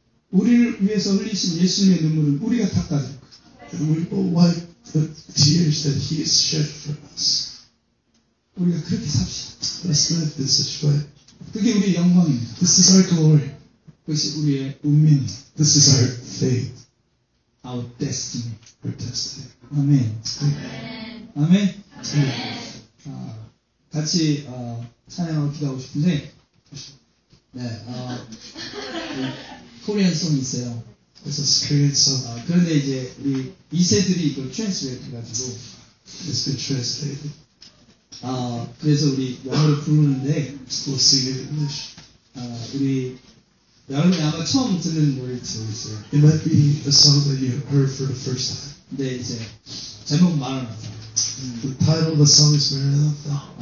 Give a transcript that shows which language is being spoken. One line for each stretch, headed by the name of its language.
Korean: 우리를 위해서 흘리신 예수님의 눈물을 우리가 닦아줄 거야.
English: We will wipe the tears that he has shed for us.
Korean: 우리가 그렇게 삽시다.
English: Let's live this such way.
Korean: 그게 우리의 영광입니다.
English: This is our glory.
Korean: 그것이 우리의 운명.
English: This is our fate. Our destiny. Our destiny.
Korean: 아멘. 아멘. 아멘. 같이 찬양하고 기도하고 싶은데. 네, 코리안 송이 있어요. 그래서 스크린 송. 그런데 이제 이 이세들이 이걸 트랜스레이트 해가지고.
English: It's been translated.
Korean: 그래서 우리 영어로 부르는데.
English: We'll sing it in English.
Korean: 우리 여러분이 아마 처음 듣는 노래일 수도 있어요.
English: It might be a song that you heard for the first time.
Korean: 근데 이제 제목 말하는 거.
English: The title of the song is Maranatha.